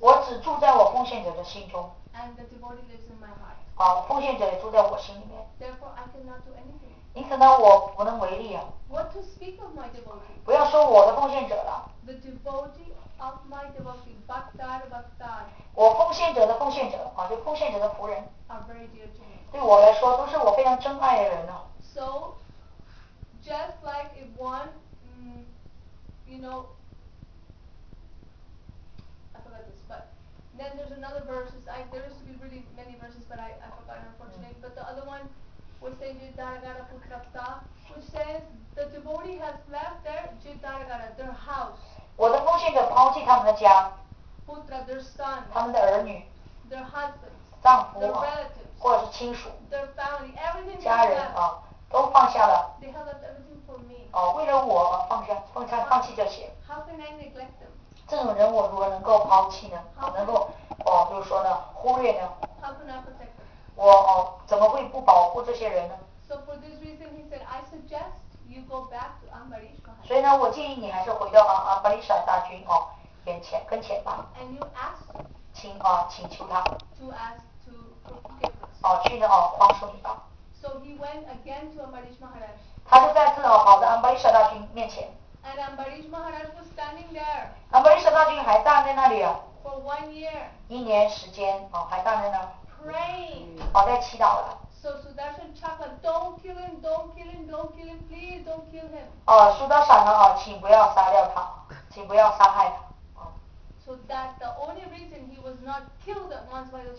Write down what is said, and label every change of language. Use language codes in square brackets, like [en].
[zh] 我只住在我奉献者的心中。 [en] And the devotee lives in my heart. [zh] 奉献者也住在我心里面。 [en] Therefore, I cannot do anything. [zh] 因此呢，我不能为力啊。 [en] What to speak of my devotee? [zh] 不要说我的奉献者了。 [en] The devotee of my devotee, Bhaktar Bhaktar. [zh] 我奉献者的奉献者啊，就奉献者的仆人。 [en] Are very dear to me. [zh] 对我来说，都是我非常珍爱的人啊。 [en] So, just like if one, you know, I forgot this, but then there's another verses. There used to be really many verses, but I forgot unfortunately.、But the other one. Which says Jitaragara Putrapta, which says the devotee has left their Jitaragara, their house. [zh] 我的奉献者抛弃他们的家。 [en] Putra, their son. [zh] 他们的儿女。 [en] Their husbands. [zh] 丈夫。 [en] Their relatives. [zh] 或者是亲属。 [en] Their family, everything. [zh] 家人都放下了。 [en] They have left everything for me. [zh] 为了我放弃这些。 [en] How can I neglect them? [zh] 这种人我如何能够抛弃呢？能够就是说呢，忽略呢 [en] ？How can I protect them? [zh] 我怎么会不保护这些人呢 [en] ？So for this reason, he said, I suggest you go back to Ambarish Maharaj. [zh] 所以呢，我建议你还是回到Ambarish大君跟前吧。 [en] And you ask. [zh] 请求他。 [en] To ask to forgiveness. [zh] 去呢宽恕你吧。 [en] So he went again to Ambarish Maharaj. [zh] 他就再次跑到Ambarish大君面前。 [en] And Ambarish Maharaj was standing there. [zh] Ambarish大君还站在那里。 [en] For 1 year. [zh] 一年时间还站在那。 [en] Praying. [zh] 在祈祷了。 [en] So Sudarshan Chakra, don't kill him, don't kill him, don't kill him, please don't kill him. [zh] 苏达闪呢请不要杀掉他，请不要杀害他。 [en] So that the only reason he was not killed at once by the Chakra.